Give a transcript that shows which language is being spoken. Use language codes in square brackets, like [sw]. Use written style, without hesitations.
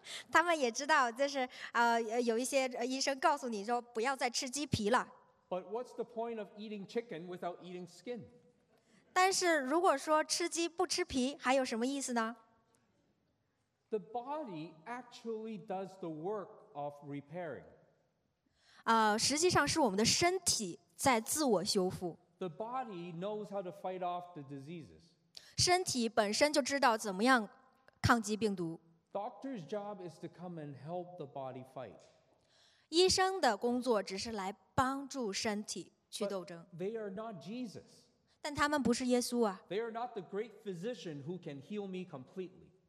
[zh] 他们也知道，就是有一些医生告诉你说不要再吃鸡皮了。 [en] But what's the point of eating chicken without eating skin? [zh] 但是如果说吃鸡不吃皮，还有什么意思呢？ [en] The body actually does the work of repairing. [zh] 实际上是我们的身体在自我修复。 [en] The body knows how to fight off the diseases. [zh] 身体本身就知道怎么样抗击病毒。 [en] Doctor's job is to come and help the body fight. [zh] 医生的工作只是来帮助身体去斗争。 [en] But they are not Jesus. [zh] 但他们不是耶稣啊。 [en] They are not the great physician who can heal me completely.